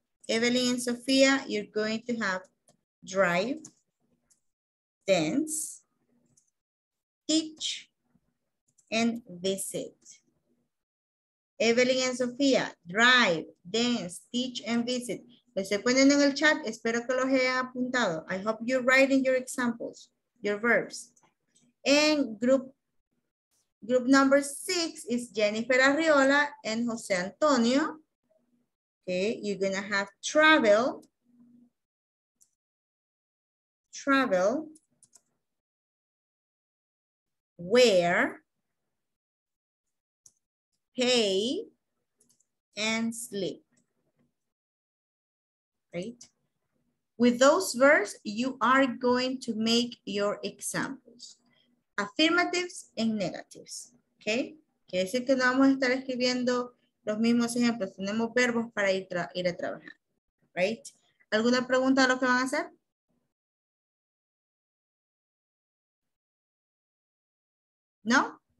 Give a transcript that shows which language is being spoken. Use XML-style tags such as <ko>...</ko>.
<en>Evelyn and Sofia, you're going to have drive, dance, teach, and visit. Evelyn and Sofia, drive, dance, teach, and visit.</en> <es>Les estoy poniendo en el chat, espero que los haya apuntado.</es> <en>I hope you're writing your examples, your verbs. And group number six is Jennifer Arriola and Jose Antonio. Okay, you're gonna have travel, wear, pay, and sleep. Right? With those verbs, you are going to make your examples. Affirmatives and negatives. Okay?</en> <es>Quiere decir que no vamos a estar escribiendo los mismos ejemplos. Tenemos verbos para ir a trabajar. Right? ¿Alguna pregunta de lo que van a hacer? ¿No?</es>